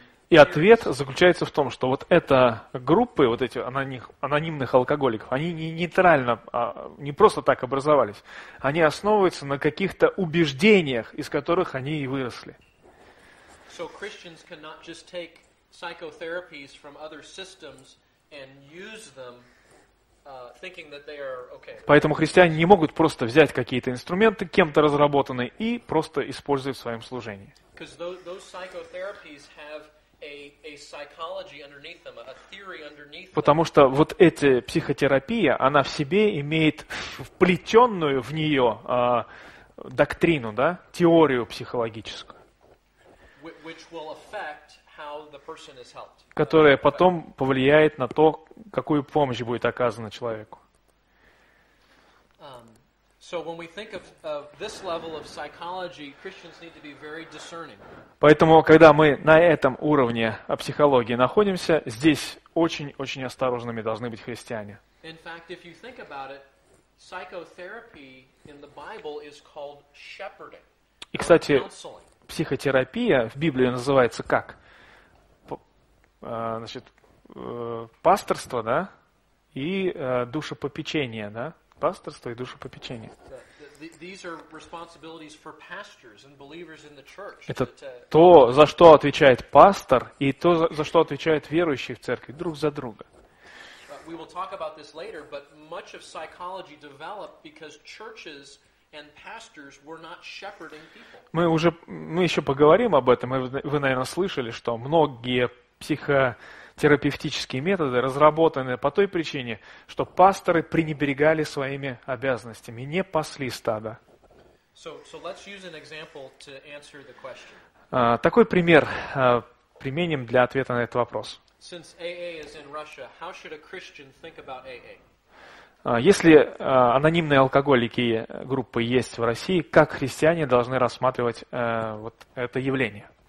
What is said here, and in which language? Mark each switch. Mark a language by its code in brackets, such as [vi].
[ru] И ответ заключается в том, что вот эта группа, вот эти анонимных алкоголиков, они не нейтрально, не просто так образовались. Они основываются на каких-то убеждениях, из которых они и выросли. [en] So Christians cannot just take psychotherapies from other systems and use them, thinking that they are okay. [ru] Поэтому христиане не могут просто взять какие-то инструменты, кем-то разработанные, и просто использовать в своем служении. [en] Because those psychotherapies have a psychology underneath them, a theory underneath them. [ru] Потому что вот эта психотерапия, она в себе имеет вплетенную в нее доктрину, да, теорию психологическую. [en] Which will affect how the person is helped. [ru] Которая потом повлияет на то, какую помощь будет оказана человеку. [en] So when we think of this level of psychology, Christians need to be very discerning. [ru] Поэтому, когда мы на этом уровне психологии находимся, здесь очень-очень осторожными должны быть христиане. [en] In fact, if you think about it, psychotherapy in the Bible is called shepherding. [ru] И, кстати, психотерапия в Библии называется как? Значит, пасторство, да? И душепопечение, да? Пасторство и душепопечение. [en] These are responsibilities for pastors and believers in the church. [ru] Это то, за что отвечает пастор, и то, за что отвечают верующие в церкви, друг за друга. [en] We will talk about this later, but much of psychology developed because churches and pastors were not shepherding people. [ru] Мы еще поговорим об этом. Вы, наверное, слышали, что многие психотерапевтические методы разработаны по той причине, что пасторы пренебрегали своими обязанностями, не пасли стадо. [en] So let's use an example to answer the question. [ru] Такой пример применим для ответа на этот вопрос. [en] Since AA is in Russia, how should a Christian think about AA? [ru] Если анонимные алкоголики группы есть в России, как христиане должны рассматривать вот это явление?